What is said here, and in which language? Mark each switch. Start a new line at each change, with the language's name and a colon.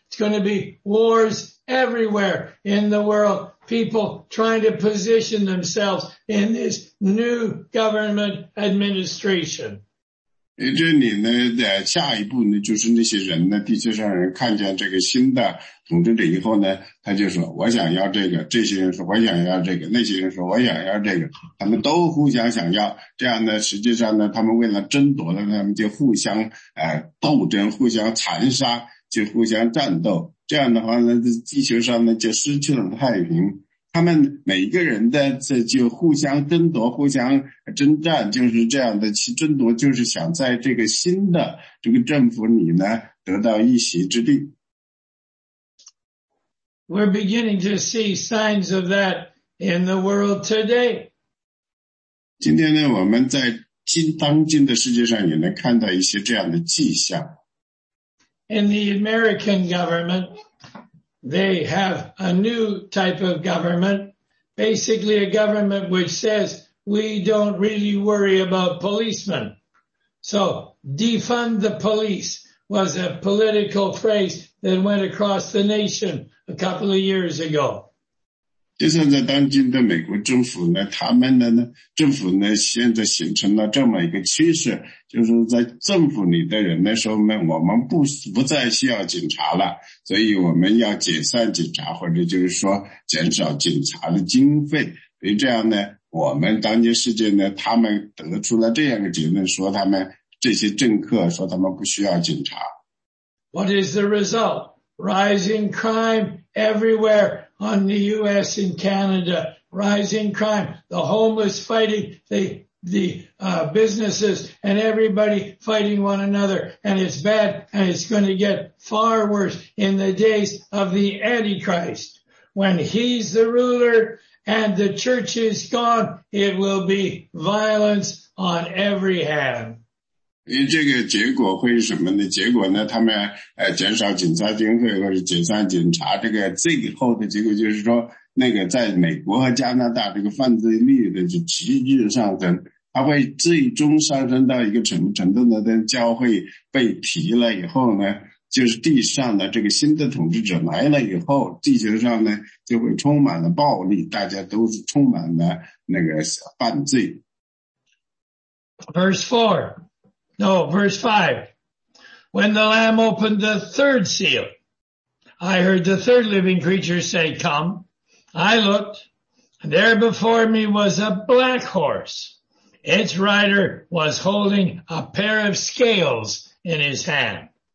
English: It's going to be wars everywhere in the world. People trying to position themselves in this new government administration.
Chinese: 这里呢在下一步呢就是那些人呢地球上人看见这个新的统治者以后呢他就说我想要这个这些人说我想要这个那些人说我想要这个他们都互相想要这样呢实际上呢他们为了争夺呢他们就互相斗争互相残杀就互相战斗。这样的话呢地球上呢就失去了太平。他们每一个人的这就互相争夺互相征战就是这样的其争夺就是想在这个新的这个政府里呢得到一席之地。
English: We're beginning to see signs of that in the world today.
Chinese: 今天呢我们在当今的世界上也能看到一些这样的迹象。
English: In the American government, they have a new type of government, basically a government which says we don't really worry about policemen. So defund the police was a political phrase that went across the nation a couple of years ago.
Chinese: 就像在当今的美国政府呢他们的呢政府呢现在形成了这么一个趋势就是在政府里的人呢说我们不再需要警察了所以我们要解散警察或者就是说减少警察的经费。所以这样呢我们当今世界呢他们得出了这样的结论说他们这些政客说他们不需要警察。
English: What is the result? Rising crime everywhere. On the US and Canada, rising crime, the homeless fighting the businesses and everybody fighting one another. And it's bad and it's going to get far worse in the days of the Antichrist. When he's the ruler and the church is gone, it will be violence on every hand.
Chinese: 因为这个结果会是什么呢？结果呢，他们减少警察经费或者解散警察，这个最后的结果就是说，那个在美国和加拿大这个犯罪率的就急剧上升，它会最终上升到一个什么程度呢？等教会被提了以后呢，就是地上的这个新的统治者来了以后，地球上呢就会充满了暴力，大家都是充满了那个犯罪。
English: Verse 4. No, verse 5. When the Lamb opened the third seal, I heard the third living creature say, Come. I looked, and there before me was a black horse. Its rider was holding a pair of scales in his hand.